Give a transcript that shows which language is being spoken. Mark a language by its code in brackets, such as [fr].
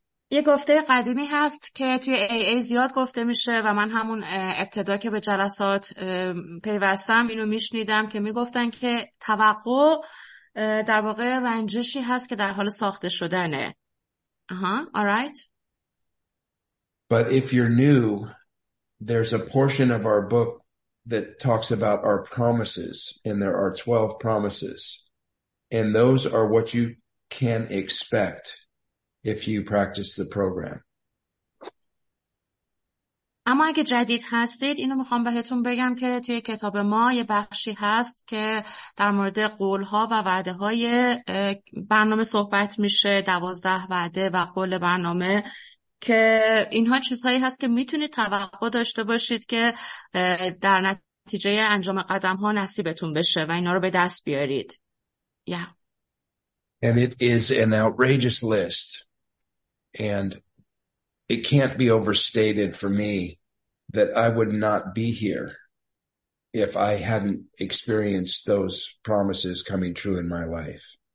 [fa] یه گفته قدیمی هست که توی AA زیاد گفته میشه و من همون ابتدا که به جلسات پیوستم اینو میشنیدم که میگفتن که توقع در واقع رنجشی هست که در حال ساخته شدنه. [en] All right. But if you're new, there's a portion of our book that talks about our promises, and there are 12 promises, and those are what you can expect if you practice the program. [fa] اما اگه جدید هستید، اینو میخوام بهتون بگم که توی کتاب ما یه بخشی هست که در مورد قول‌ها و وعده‌های برنامه صحبت میشه، 12 وعده و قول برنامه، که اینها چیزهایی هست که میتونید توقع داشته باشید که در نتیجه انجام قدم ها نصیبتون بشه و اینا رو به دست بیارید. [en] Yeah. And it is an outrageous list. And it can't be overstated for me that I would not be here if I hadn't experienced those promises coming true in my life.